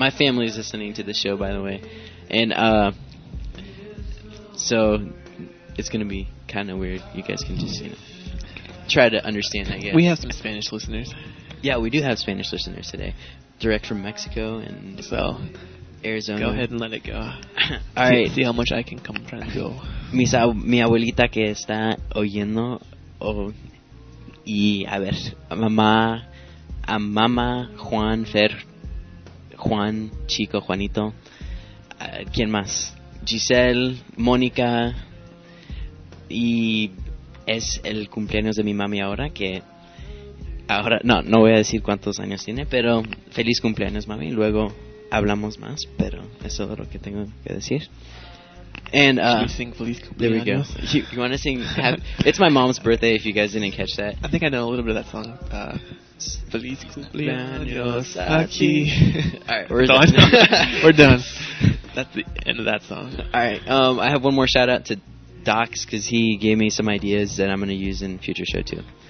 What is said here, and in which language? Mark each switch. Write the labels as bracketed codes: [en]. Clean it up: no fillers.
[en] My family is listening to the show, by the way. And so it's going to be kind of weird. You guys can just, you know, try to understand, I guess. We have some Spanish listeners. Yeah, we do have Spanish listeners today. Direct from Mexico and Arizona. Go ahead and let it go. All right. See how much I can come try to go. [es] Mi abuelita que está oyendo. Y a ver, mamá. A mamá, Juan, Fer, Juan, Chico, Juanito. ¿Quién más? Giselle, Mónica. Y es el cumpleaños de mi mami ahora, que... Ahora, no voy a decir cuántos años tiene, pero feliz cumpleaños, mami. Luego hablamos más, pero eso es lo que tengo que decir. [en] And, Should we sing [es] feliz cumpleaños? [en] There we go. You want to sing... it's my mom's birthday, if you guys didn't catch that. I think I know a little bit of that song. [es] Feliz cumpleaños aquí. [en] Alright, we're done. That's the end of that song. Alright, I have one more shout out to Docs because he gave me some ideas that I'm going to use in future show too.